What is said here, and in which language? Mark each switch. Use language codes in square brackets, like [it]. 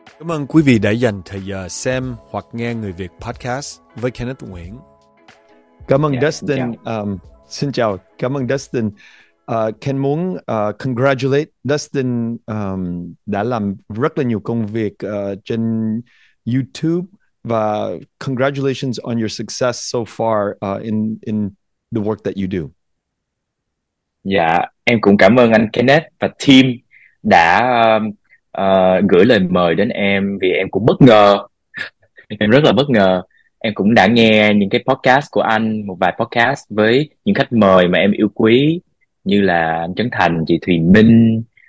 [vi] Cảm ơn quý vị đã dành thời giờ xem hoặc nghe Người Việt Podcast với Kenneth Nguyễn. Cảm ơn Dustin. Xin chào. Cảm ơn Dustin. Ken muốn congratulate Dustin đã làm rất là nhiều công việc trên YouTube. [en] Và congratulations on your success so far in the work that you do. [vi] Dạ, em cũng cảm ơn anh Kenneth và team đã gửi lời mời đến em, vì em cũng bất ngờ. Em rất là bất ngờ. Em cũng đã nghe những cái podcast của anh, một vài podcast với những khách mời mà em yêu quý, như là anh Trấn Thành, chị Thùy Minh.